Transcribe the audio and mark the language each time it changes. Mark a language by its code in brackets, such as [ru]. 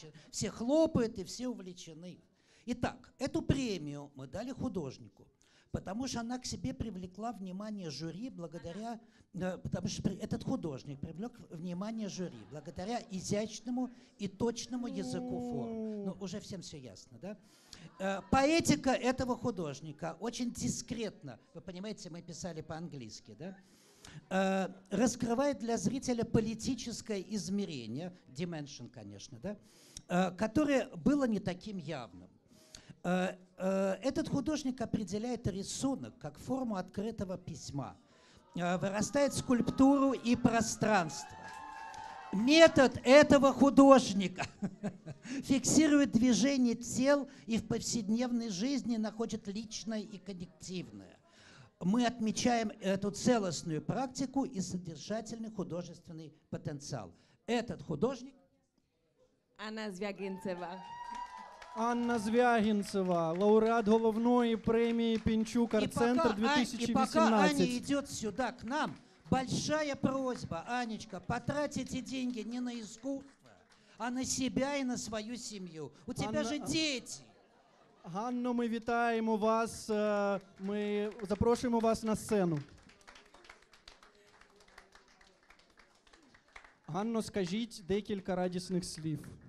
[ru] Все хлопают и все увлечены. Итак, эту премию мы дали художнику, потому что она к себе привлекла внимание жюри благодаря... Потому что этот художник привлек внимание жюри благодаря изящному и точному языку форм. Ну, уже всем все ясно, да? Поэтика этого художника очень дискретно, вы понимаете, мы писали по-английски, да? Раскрывает для зрителя политическое измерение, dimension, конечно, да? Которое было не таким явным. Этот художник определяет рисунок как форму открытого письма. Вырастает скульптуру и пространство. Метод этого художника фиксирует движение тел и в повседневной жизни находит личное и коллективное. Мы отмечаем эту целостную практику и содержательный художественный потенциал. Этот художник... Анна Звягинцева. Анна Звягинцева, лауреат головной премии Пинчук-Арт-Центр 2018. И пока Аня идет сюда, к нам, большая просьба, Анечка, потрать эти деньги не на искусство, а на себя и на свою семью. У тебя же дети. [uk] Ганно, ми вітаємо вас, ми запрошуємо вас на сцену. Ганно, скажіть декілька радісних слів.